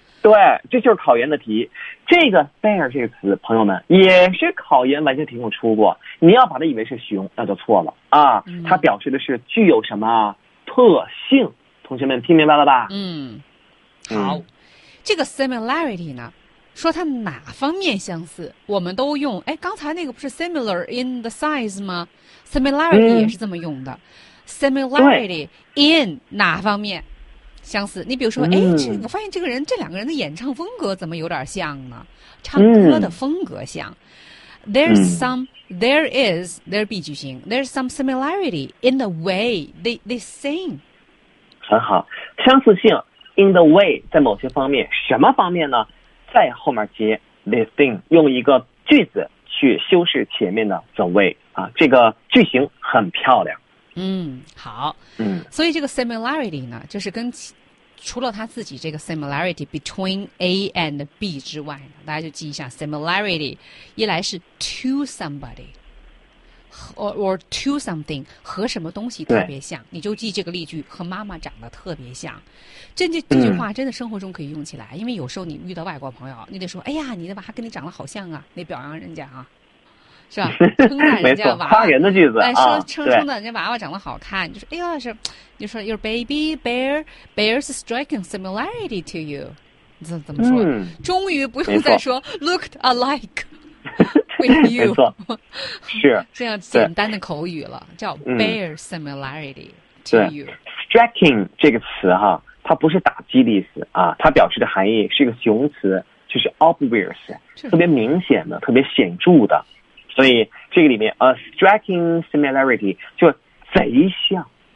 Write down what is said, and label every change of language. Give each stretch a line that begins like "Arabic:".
Chinese: 对，这就是考研的题。这个 bear 这个词，朋友们也是考研完全题目出过。你要把它以为是熊，那就错了啊、嗯。它表示的是具有什么？特性，同学们听明白了吧？嗯，好，嗯、这个 similarity 呢，说它哪方面相似，我们都用。哎，刚才那个不是
English: similar in the size
Chinese: 吗 ？similarity、嗯、也是这么用的。 similarity in 哪方面相似？你比如说，哎、嗯，我发现这个人，这两个人的演唱风格怎么有点像呢？唱歌的风格像。嗯、
English: There's some。 There is, there be 句型 There's some similarity in the way they sing.
Chinese: 很好，相似性
English: in the way
Chinese: 在某些方面，什么方面呢？在后面接
English: they sing，
Chinese: 用一个句子去修饰前面的
English: the way
Chinese: 啊，这个句型很漂亮。嗯，好，嗯，所以这个 similarity 呢，就是跟除了他自己这个
English: similarity between A and B
Chinese: 之外，大家就记一下 similarity， 一来是
English: to somebody， or to something，
Chinese: 和什么东西特别像，你就记这个例句，和妈妈长得特别像。这句话真的生活中可以用起来、嗯，因为有时候你遇到外国朋友，你得说，哎呀，你的娃跟你长得好像啊，得表扬人家啊，是吧？称赞人家娃，夸人的句子、啊，哎，说称赞人家娃娃长得好看，就是哎呀是。就说
English: your baby bear bears striking similarity to you，
Chinese: 怎么说、嗯？终于不用再说
English: looked alike with you，
Chinese: 没错，是这样简单的口语了，叫
English: bear similarity to you。
Chinese: Striking 这个词哈、啊，它不是打击的意思啊，它表示的含义是一个形容词，就是 obvious， 特别明显的、特别显著的。所以这个里面
English: a striking similarity
Chinese: 就贼像。